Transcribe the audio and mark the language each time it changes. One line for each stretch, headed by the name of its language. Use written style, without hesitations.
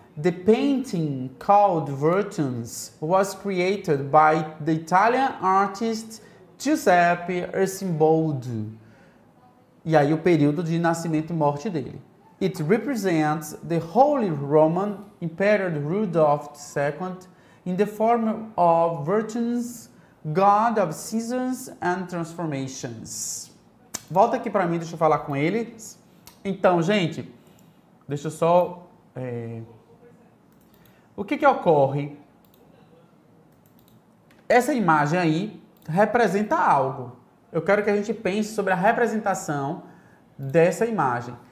English: The painting called Vertuns was created by the Italian artist Giuseppe Arsimboldo.
Portuguese: E aí o período de nascimento e morte dele.
English: It represents the Holy Roman Emperor Rudolf II in the form of Vertuns, God of Seasons and Transformations.
Portuguese: Volta aqui para mim, deixa eu falar com ele. Então, gente, deixa eu só... O que que ocorre? Essa imagem aí representa algo. Eu quero que a gente pense sobre a representação dessa imagem.